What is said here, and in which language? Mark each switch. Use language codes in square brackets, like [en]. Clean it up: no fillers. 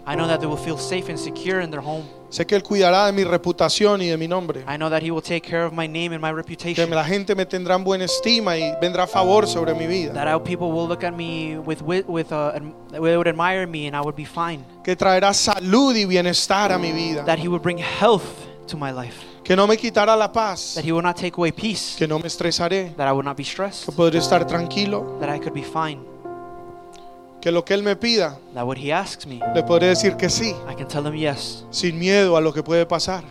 [en] I know that they will feel safe and secure in their home. [es] Sé que él cuidará de mi reputación y de mi nombre. [en] I know that he will take care of my name and my reputation. [es] Que la gente me tendrá buena estima y vendrá favor sobre mi vida. [en] That our people will look at me with they would admire me and I would be fine. [es] Que traerá salud y bienestar a mi vida. [en] That he will bring health to my life. [es] Que no me quitará la paz. [en] That he will not take away peace. [es] Que no me estresaré. [en] That I will not be stressed. [es] Que podré estar tranquilo. [en] That I could be fine. [es] Que lo que él me pida, [en] that what he asks me, [es] le podré decir que sí. [en] I can tell him yes. [es] Sin miedo a lo que puede pasar.